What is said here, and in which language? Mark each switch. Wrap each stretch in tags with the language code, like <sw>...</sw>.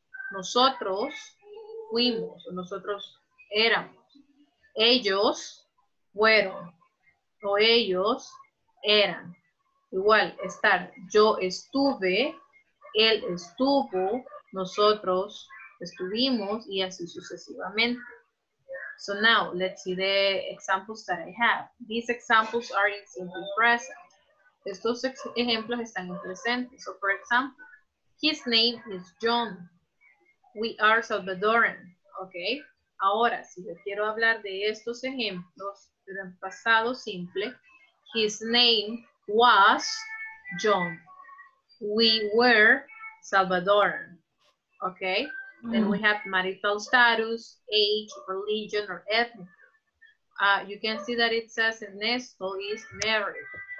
<es>Nosotros fuimos o nosotros éramos. Ellos fueron o ellos eran. Igual, estar, yo estuve, él estuvo, nosotros estuvimos, y así sucesivamente.</es> <en>So now, let's see the examples that I have. These examples are in simple present.</en> <es>Estos ejemplos están en presente.</es> <en>So for example, his name is John. We are Salvadoran. Okay?</en> <es>Ahora, si yo quiero hablar de estos ejemplos, pero en pasado simple,</es> <en>his name was John. We were Salvadoran. Okay? Mm-hmm. Then we have marital status, age, religion, or ethnic. You can see that it says Ernesto is married.</en>